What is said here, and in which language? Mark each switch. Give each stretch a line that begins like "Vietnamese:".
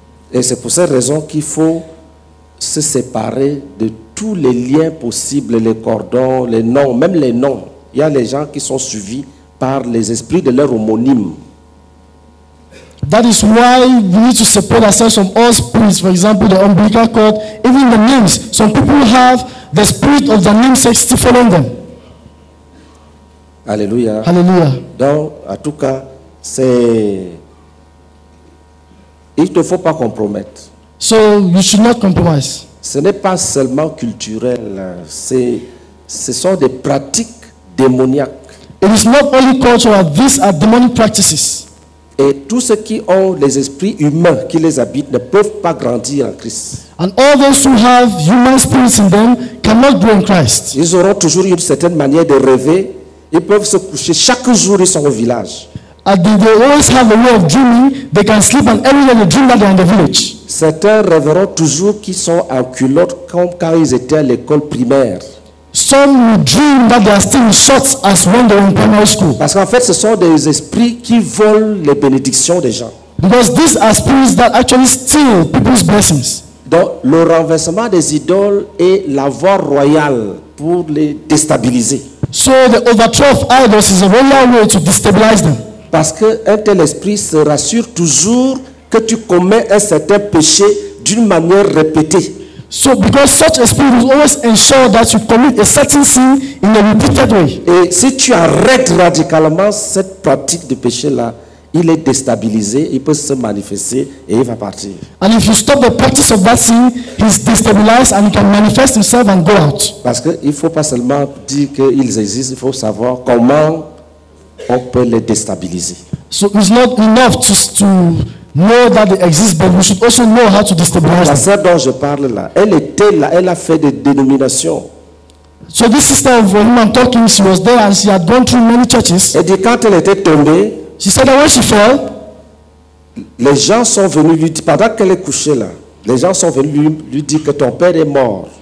French: Et c'est pour cette raison qu'il faut se séparer de tous les liens possibles, les cordons, les noms, même les noms. Il y a les gens qui sont suivis par les esprits de leur homonyme.
English: That is why we need to separate ourselves from all spirits. For example, the umbilical cord, even the names. Some people have the spirit of the namesake still following them.
French: Alléluia. Alléluia. Donc, en tout cas, c'est... Il ne faut pas compromettre.
English: So, you should not compromise.
French: Ce n'est pas seulement culturel. Ce sont des pratiques démoniaques.
English: It is not only cultural. These are demonic practices.
French: Et tous ceux qui ont les esprits humains qui les habitent ne peuvent pas grandir en Christ.
English: And all those who have human spirits in them cannot grow in Christ.
French: Ils auront toujours une certaine manière de rêver. Ils peuvent se coucher chaque jour, ils sont au village.
English: And they always have a way of dreaming. They can sleep and every night they dream that they are in the village.
French: Certains rêveront toujours qu'ils sont en culotte comme quand ils étaient à l'école primaire.
English: Some will dream that they are still in shorts as when they were in primary school.
French: Parce qu'en fait, ce sont des esprits qui volent les bénédictions des gens.
English: Because these are spirits that actually steal people's blessings.
French: Donc, le renversement des idoles est la voie royale pour les déstabiliser.
English: So the overthrow of idols is a royal way to destabilize them.
French: Parce qu'un tel esprit se rassure toujours que tu commets un certain péché d'une manière répétée.
English: So because such a spirit will always ensure that you commit a certain sin in a repeated way.
French: Et si tu arrêtes radicalement cette pratique de péché là, il est déstabilisé, il peut se manifester et il va partir.
English: And if you stop the practice of that sin, he's destabilized and he can manifest himself and go out.
French: Parce que il faut pas seulement dire qu'ils existent, il faut savoir comment on peut les déstabiliser.
English: So it's not enough to know that they exist, but we should also know how to destabilize them.
French: La sœur dont je parle là, elle était là, elle a fait des dénominations.
English: So this sister of whom I'm talking, she was there and she had gone through many churches.
French: Et dit, quand elle était tombée,
English: she said that when she fell,
French: les gens sont venus lui dire, pendant qu'elle est couchée là, les gens sont venus lui dire que ton père est mort.